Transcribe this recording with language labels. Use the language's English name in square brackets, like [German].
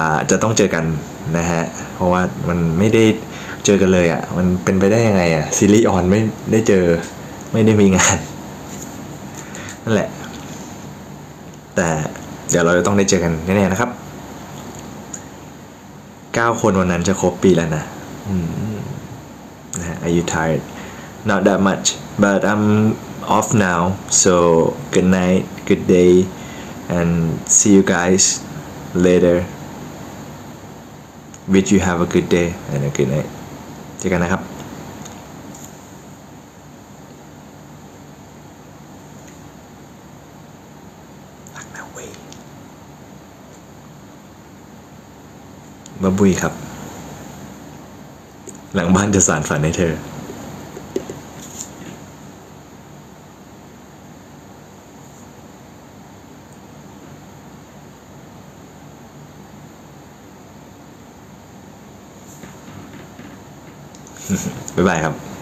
[Thai] จะต้องเจอกันนะฮะเพราะว่ามันไม่ได้เจอกันเลยอ่ะมันเป็นไปได้ยังไงอ่ะซีรีส์ออนไม่ได้เจอไม่ได้มีงานนั่นแหละแต่เดี๋ยวเราจะต้องได้เจอกันแน่ๆนะครับ9คนวันนั้นจะครบปีแล้วนะ [English] Are you tired? Not that much, but I'm off now. So good night, good day, and see you guys later. Wish you have a good day and a good night. [Thai] เจอกันนะครับ บ้าบุยครับ หลังบ้านจะสานฝันให้เธอบ๊ายบายครับ